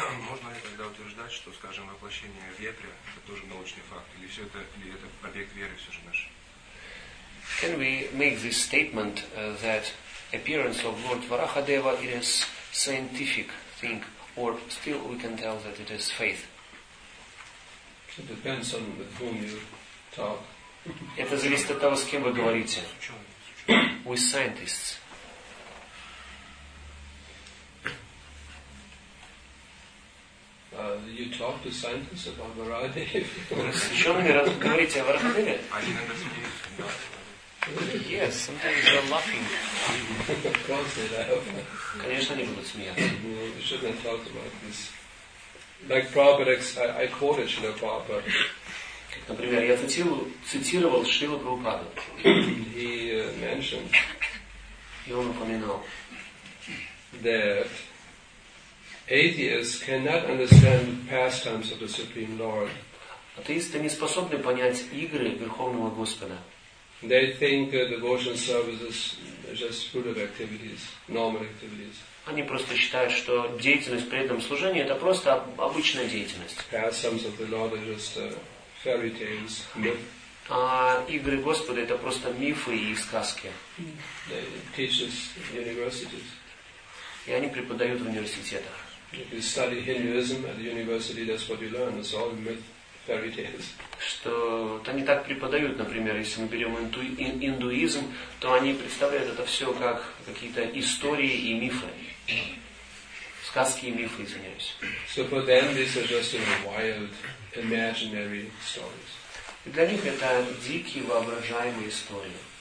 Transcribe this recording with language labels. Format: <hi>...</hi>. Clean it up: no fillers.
<ru>Можно ли тогда утверждать, что, скажем, воплощение вепря это тоже научный факт, или все это, или это объект веры все же наш?</ru> <en>Can we make this statement that appearance of Lord Varahadeva is scientific thing, or still we can tell that it is faith? It depends on with whom you talk.</en> <ru>Это зависит от того, с кем вы говорите.</ru> <en>With scientists. you talk to scientists about variety.</en> <ru>Ученые разговаривают о варахе. Они иногда смеются.</ru> <en>Yes, sometimes they're laughing. Of course they laugh.</en> <ru>Конечно, они будут смеяться.</ru> <en>We shouldn't talk about this. Like Prabhupada, I quoted Srila Prabhupada.</en> <ru>Например, я цитировал Шрилу Прабхупаду.</ru> <en>He mentioned.</en> <ru>И он упоминал.</ru> <en>That atheists cannot understand pastimes of the Supreme Lord.</en> <ru>Атеисты не способны понять игры Верховного Господа.</ru> <en>They think devotion services just full of activities, normal activities.</en> <ru>Они просто считают, что деятельность преданного служения это просто обычная деятельность.</ru> <en>Pastimes of the Lord are just fairy tales, myth.</en> <ru>А игры Господа это просто мифы и сказки.</ru> <en>They teach us in universities.</en> <ru>И они преподают в университетах.</ru> <en>If you study Hinduism at the university, that's what you learn. It's all myth.</en> <ru>Что то они так преподают, например, если мы берем индуизм, то они представляют это все как какие-то истории и мифы. Сказки и мифы, извиняюсь. So for them these are just wild imaginary stories. И для них это дикие воображаемые истории.</ru>